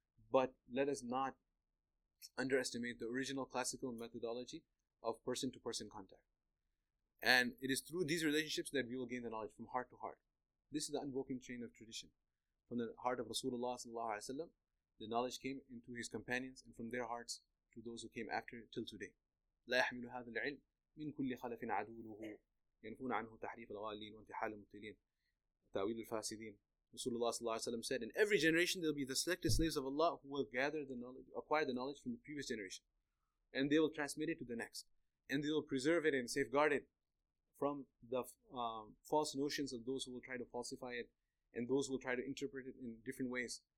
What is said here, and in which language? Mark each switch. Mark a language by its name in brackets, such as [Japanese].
[English] But let us not underestimate the original classical methodology of person-to-person contact. And it is through these relationships that we will gain the knowledge from heart to heart. This is the unbroken chain of tradition. From the heart of Rasulullah sallallahu alaihi wasallam, the knowledge came into his companions, and from their hearts to those who came after till today. [Arabic] لا يحمل هذا العلم من كل خلف عدوله ينفون عنه تحريف الغالين وانتحال المبتلين تأويل الفاسدين. [English] Rasulullah sallallahu alaihi wasallam said, in every generation there will be the selected slaves of Allah who will gather the knowledge, acquire the knowledge from the previous generation, and they will transmit it to the next, and they will preserve it and safeguard it from the false notions of those who will try to falsify it, and those who will try to interpret it in different ways.